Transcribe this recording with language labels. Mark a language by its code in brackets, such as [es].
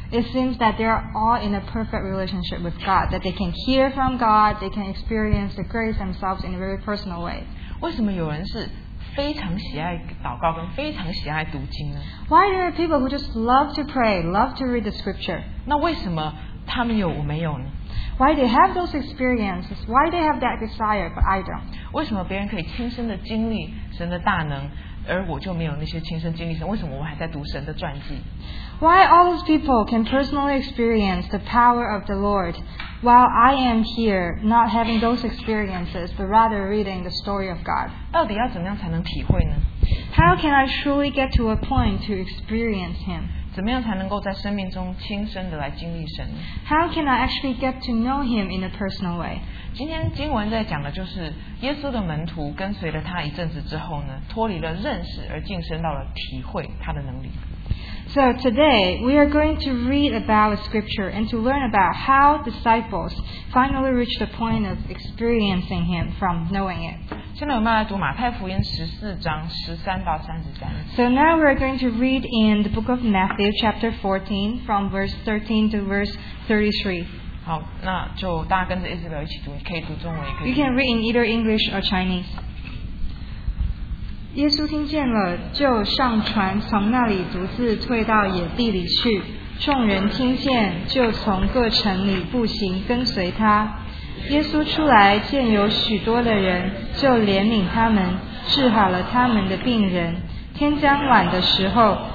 [en] It seems that they are all in a perfect relationship with God, that they can hear from God, they can experience the grace themselves in a very personal way. [zh] 为什么有人是非常喜爱祷告跟非常喜爱读经呢？ [en] Why are there people who just love to pray, love to read the scripture? [zh] 那为什么他们有我没有呢？ [en] Why they have those experiences? Why they have that desire, but I don't? [zh] 为什么别人可以亲身的经历神的大能，而我就没有那些亲身经历神？为什么我还在读神的传记？ [en] Why all those people can personally experience the power of the Lord, while I am here not having those experiences, but rather reading the story of God? [zh] 到底要怎么样才能体会呢？ [en] How can I truly get to a point to experience Him? [zh] 怎么样才能够在生命中亲身的来经历神呢？ [en] How can I actually get to know Him in a personal way? [zh] 今天经文在讲的就是耶稣的门徒跟随了他一阵子之后呢，脱离了认识而晋升到了体会他的能力。 [en] So today, we are going to read about scripture and to learn about how disciples finally reached the point of experiencing Him from knowing it. [zh] 现在我们来读马太福音14章13到33。 [en] So now we are going to read in the book of Matthew chapter 14 from verse 13 to verse 33. [zh] 好，那就大家跟着 Isabel 一起读，可以读中文，也可以。 [en] You can read in either English or Chinese. [zh] 耶稣听见了，就上船，从那里独自退到野地里去。众人听见，就从各城里步行跟随他。耶稣出来，见有许多的人，就怜悯他们，治好了他们的病人。天将晚的时候，